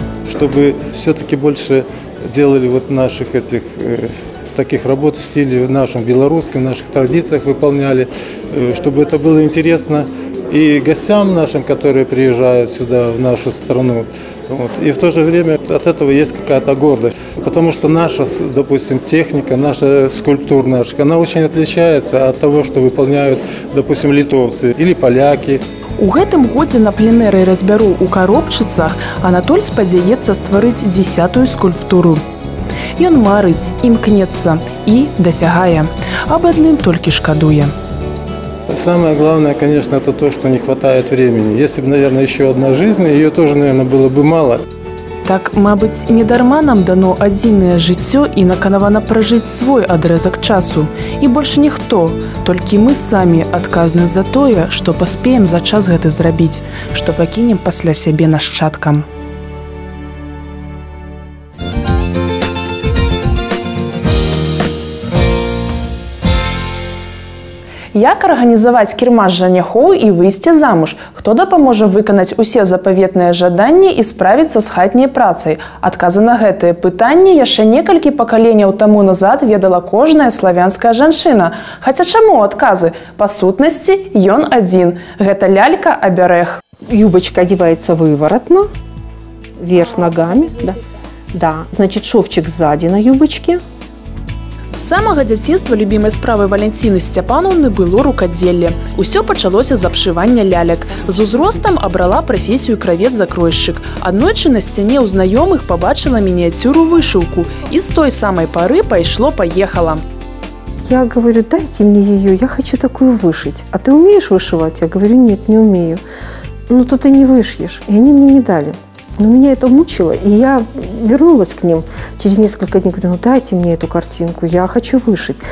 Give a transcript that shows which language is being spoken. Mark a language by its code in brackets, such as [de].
[ru] Чтобы все-таки больше делали вот наших этих таких работ в стиле нашем белорусском, в наших традициях выполняли, чтобы это было интересно и гостям нашим, которые приезжают сюда, в нашу страну. Вот. И в то же время от этого есть какая-то гордость. Потому что наша, допустим, техника, наша скульптура, она очень отличается от того, что выполняют, допустим, литовцы или поляки. [be] У гэтым годзе на пленэры разбяру ў Каробчыцах Анатоль спадзяецца стварыць 10-ю скульптуру. Ён марыць, імкнецца і дасягае. Аб адным толькі шкадуе. [ru] Самое главное, конечно, это то, что не хватает времени. Если бы, наверное, еще одна жизнь, ее тоже, наверное, было бы мало. [be] Так, мабыць, не дарма нам дано адзінае жыццё і наканавана пражыць свой адрэзак часу. І больше ніхто, толькі мы самі адказны за тое, што паспеем за час гэта зрабіць, што пакінем пасля сябе нашчадкам. Як арганізаваць кірмаш жаніхоў і выйсці замуж? Хто дапаможа выканаць усе запаветныя жаданні і справіцца з хатняй працай? Адказы на гэтае пытанне яшчэ некалькі пакаленняў таму назад ведала кожная славянская жанчына. Хаця чаму адказы? Па сутнасці, ён адзін. Гэта лялька абярэх. Юбачка адзяваецца выворотна, верх нагамі. [ru] Да. Да. Значит, шовчик ззади на юбачке. [be] З самага дзяцінства любімай справай Валянціны Сцяпановны было рукадзелле. Усё пачалося з абшывання лялек. З узростам абрала прафесію кравец-закройшчык. Аднойчы на сцяне ў знаёмых пабачыла мініяцюру вышыўку. І з той самай пары пайшло-паехала. [ru] Я говорю, дайте мне её, я хочу такую [be] вышыць. [ru] А ты умеешь [be] вышываць? [ru] Я говорю, нет, не умею. Ну, то ты не вышьешь. И они мне не дали. Но меня это мучило, и я вернулась к ним через несколько дней, говорю, ну дайте мне эту картинку, я хочу вышить.